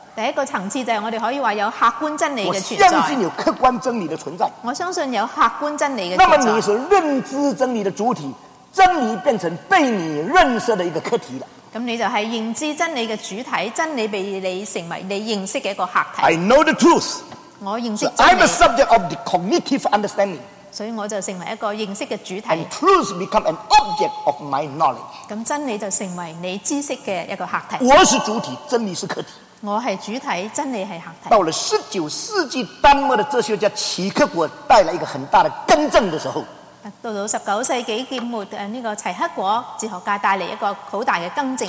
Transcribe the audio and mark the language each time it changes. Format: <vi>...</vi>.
<zh>第一个层次就是我们可以说有客观真理的存在。我相信有客观真理的存在。我相信有客观真理的存在。那么你是认知真理的主体，真理变成被你认识的一个客体了。那你就是认知真理的主体，真理被你成为你认识的一个客体。</zh> <en>I know the truth.</en> <zh>我认识真理。</zh> <en>So I'm a subject of the cognitive understanding.</en> <zh>所以我就成为一个认识的主体。</zh> <en>And truth become an object of my knowledge.</en> <zh>那真理就成为你知识的一个客体。我是主体，真理是客体。我是主体，真理是客体。到了十九世纪，丹麦的哲学家齐克果带来一个很大的更正的时候。到了十九世纪结末，这个齐克果哲学家带来一个很大的更正。</zh>